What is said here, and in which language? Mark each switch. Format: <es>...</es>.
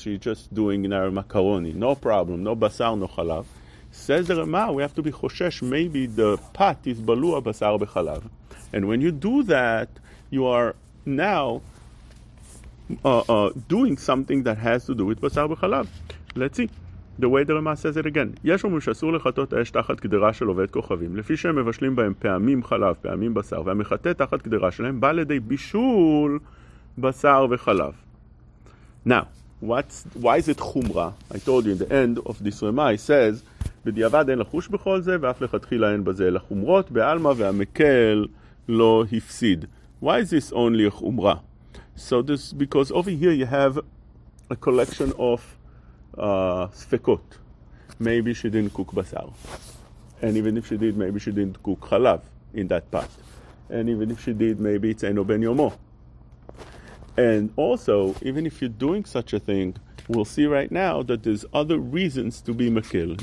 <en>She's just doing in her macaroni, no problem, no basar, no chalav. Says the Rama, we have to be choshesh. Maybe the pot is balua basar bechalav, and when you do that, you are now doing something that has to do with basar b'chalav. Let's see. The way the Rama says it again.</en> <he>יש אומרים שאסור לחטות האש תחת גדרה של עובד כוכבים, לפי שהם מבשלים בהם פעמים חלב, פעמים בשר, והמחטה תחת גדרה שלהם בא לידי בישול בשר וחלב.</he> <en>Now, why is it חומרה? I told you in the end of this Rama, he says,</en> <he>בדיעבד אין לחוש בכל זה, ואף לכתחילה אין בזה לחומרות, באלמה והמקל לא הפסיד.</he> <en>Why is this only חומרה? So this, because over here you have a collection of sfekot. Maybe she didn't cook basar. And even if she did, maybe she didn't cook chalav in that pot. And even if she did, maybe it's eno ben yomo. And also, even if you're doing such a thing, we'll see right now that there's other reasons to be makil.</en>